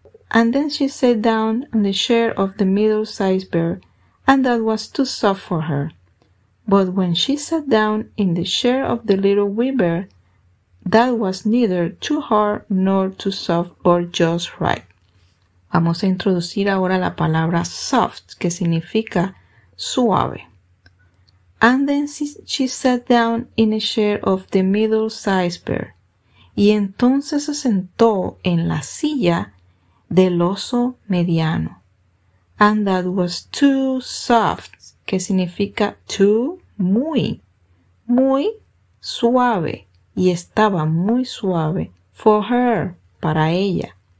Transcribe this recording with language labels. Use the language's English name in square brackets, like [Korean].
[English] And then she sat down on the chair of the middle-sized bear, and that was too soft for her. But when she sat down in the chair of the little wee bear, that was neither too hard nor too soft, but just right. [Spanish] Vamos a introducir ahora la palabra soft, que significa suave. [English] And then she sat down in a chair of the middle-sized bear. [Spanish] Y entonces se sentó en la silla del oso mediano. [English] And that was too soft, [Spanish] que significa [English] too, [Spanish] muy, muy suave. Y estaba muy suave [English] for her, [Spanish] para ella.